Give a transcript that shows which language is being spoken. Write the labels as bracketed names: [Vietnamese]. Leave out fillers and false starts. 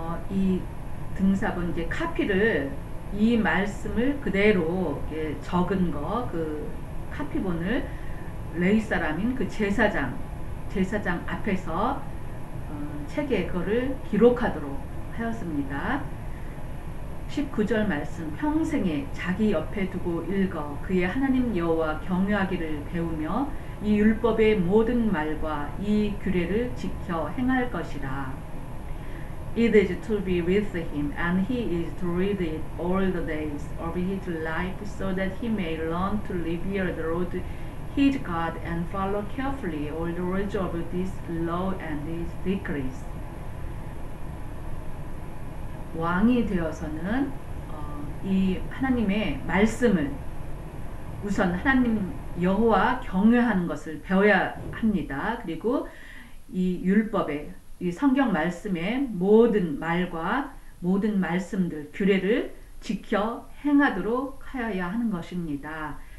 [Korean] 이 등사본 이제 카피를 이 말씀을 그대로 이렇게 적은 거 그 카피본을 레위 사람인 그 제사장 앞에서 책에 그거를 기록하도록 하였습니다. 19절 말씀 평생에 자기 옆에 두고 읽어 그의 하나님 여호와 경외하기를 배우며 이 율법의 모든 말과 이 규례를 지켜 행할 것이라. [English] It is to be with him, and he is to read it all the days of his life, so that he may learn to revere the Lord heed God and follow carefully all the rules of this law and these decrees. [Korean] 왕이 되어서는 이 하나님의 말씀을 우선 하나님 여호와 경외하는 것을 배워야 합니다. 그리고 이 율법의 이 성경 말씀의 모든 말과 모든 말씀들 규례를 지켜 행하도록 하여야 하는 것입니다.